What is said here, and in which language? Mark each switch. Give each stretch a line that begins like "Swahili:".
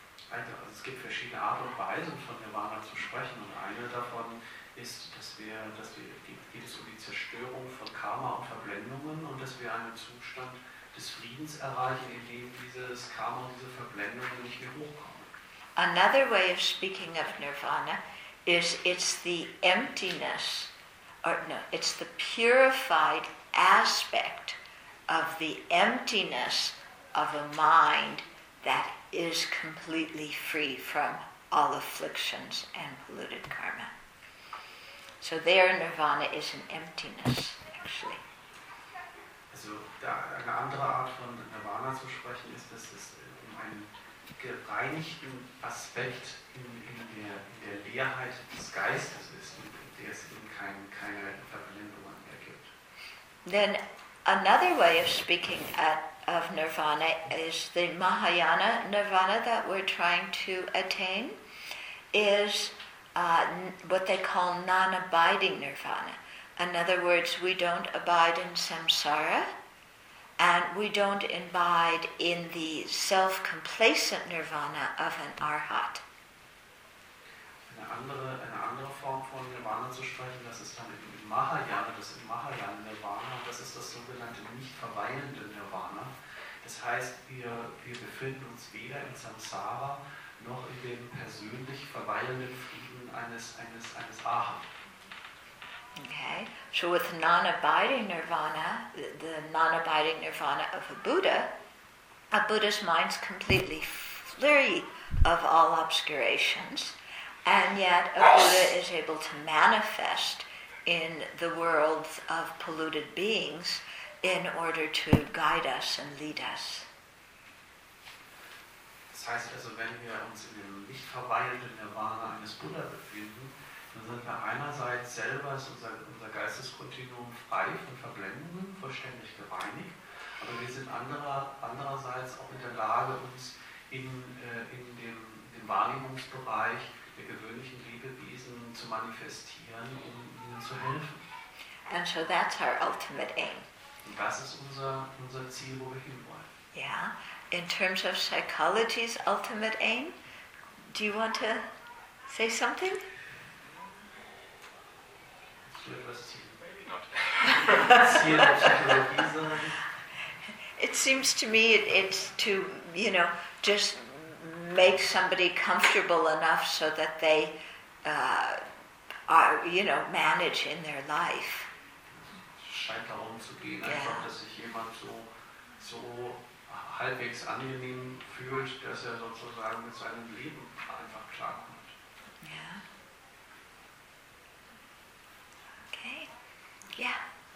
German: Also, es gibt verschiedene Arten und Weisen von Nirvana zu sprechen, und eine davon ist, geht es um die Zerstörung von Karma und Verblendungen, und dass wir einen Zustand des Friedens erreichen, in dem dieses Karma und diese Verblendungen nicht mehr hochkommen.
English: Another way of speaking of Nirvana is, it's the emptiness, or no, it's the purified aspect of the emptiness of a mind that is completely free from all afflictions and polluted karma. So there, nirvana is an emptiness, actually.
German: Also, eine andere Art von Nirvana zu sprechen ist, dass es um einen gereinigten Aspekt in der Leerheit des Geistes ist, in der es eben keine Verblendungen mehr gibt.
English: Then another way of speaking of nirvana is the Mahayana nirvana that we're trying to attain, is what they call non-abiding nirvana. In other words, we don't abide in samsara, and we don't abide in the self-complacent nirvana of an arhat.
German: Eine andere Form von Nirvana zu sprechen, das ist dann im Mahayana, das ist Mahayana Nirvana, das ist das sogenannte nicht verweilende Nirvana. Das heißt, wir befinden uns weder in Samsara noch in dem persönlich verweilenden Frieden eines Arhat.
English: Okay, so with non-abiding Nirvana, the non-abiding Nirvana of a Buddha's mind's completely free of all obscurations. And yet a Buddha is able to manifest in the world of polluted beings in order to guide us and lead us.
German: Das heißt also, wenn wir uns in dem nicht verweilenden Nirvana eines Buddha befinden, dann sind wir einerseits selber, ist unser Geisteskontinuum frei von Verblendungen, vollständig gereinigt, aber wir sind andererseits auch in der Lage, uns in dem Wahrnehmungsbereich gewöhnlichen Lebewesen zu manifestieren, um ihnen zu helfen.
English: And so that's our ultimate aim.
German: Und das ist unser Ziel, wo wir hinwollen.
English: Yeah. In terms of psychology's ultimate aim, do you want to say something?
German: Ich will etwas Ziel.
English: Maybe not.
German: Ziel der Psychologie sein.
English: It seems to me it's to, just make somebody comfortable enough so that they are, manage in their life.
German: Scheint darum zu gehen, yeah. Einfach, dass sich jemand so halbwegs angenehm fühlt, dass er sozusagen mit seinem Leben einfach klarkommt. Yeah. Okay. Yeah.